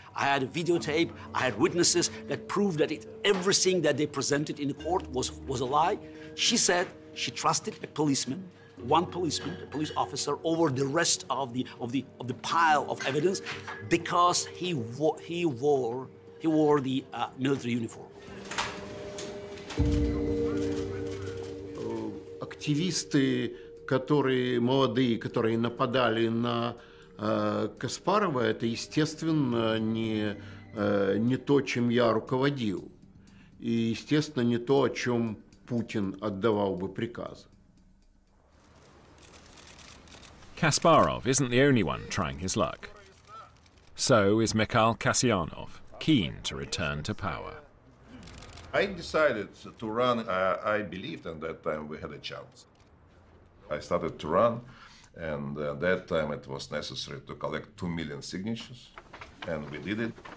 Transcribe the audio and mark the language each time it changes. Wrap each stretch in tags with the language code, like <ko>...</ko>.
<en>I had a videotape, I had witnesses that proved that everything that they presented in the court was a lie. She said she trusted a policeman, one policeman, a police officer, over the rest of the pile of evidence because he wore the military uniform.</en> <ru>Активисты, которые молодые, которые нападали на Каспарова, это, естественно, не то, чем я руководил. И, естественно, не то, о чем Путин отдавал бы приказы.</ru> <en>Kasparov isn't the only one trying his luck. So is Mikhail Kasianov, keen to return to power. I decided to run. I believed at that time we had a chance. I started to run, and at that time it was necessary to collect 2 million signatures, and we did it.</en>